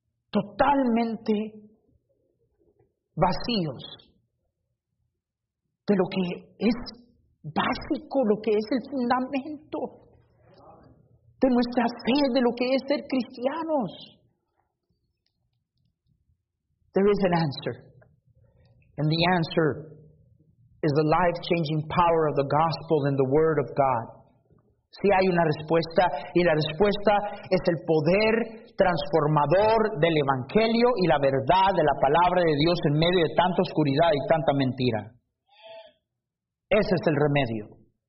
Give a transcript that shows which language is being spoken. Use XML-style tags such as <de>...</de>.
<es>Totalmente vacíos de lo que es básico, lo que es el fundamento de nuestra fe, de lo que es ser cristianos.</es> <en>There is an answer. And the answer is the life-changing power of the gospel and the word of God.</en> <es>Sí hay una respuesta, y la respuesta es el poder transformador del evangelio y la verdad de la palabra de Dios en medio de tanta oscuridad y tanta mentira. Ese es el remedio.</es>